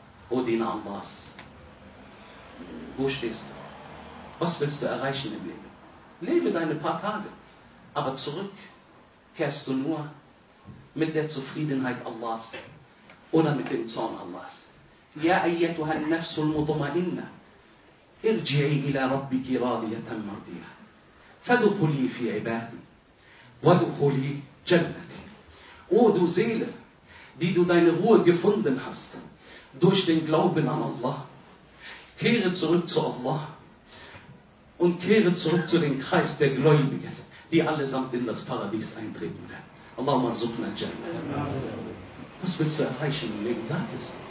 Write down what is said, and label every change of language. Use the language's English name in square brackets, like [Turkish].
[German] O Din Abbas, wo stehst du? Was willst du erreichen im Leben? Lebe deine paar Tage, aber zurück kehrst du nur mit der Zufriedenheit Allahs. Oder mit dem Zorn Allahs. [Arabic] يا أيتها النفس المطمئنة ارجعي إلى ربك راضية مرضية فادخلي في عبادي وادخلي جنتي. [German] O du Seele, die du deine Ruhe gefunden hast durch den Glauben an Allah, kehre zurück zu Allah und kehre zurück zu dem Kreis der Gläubigen, die allesamt in das Paradies eintreten werden. [Arabic] Allahumma arzuqna al-Jannah. [German] Was willst du erreichen im Leben? Sag es.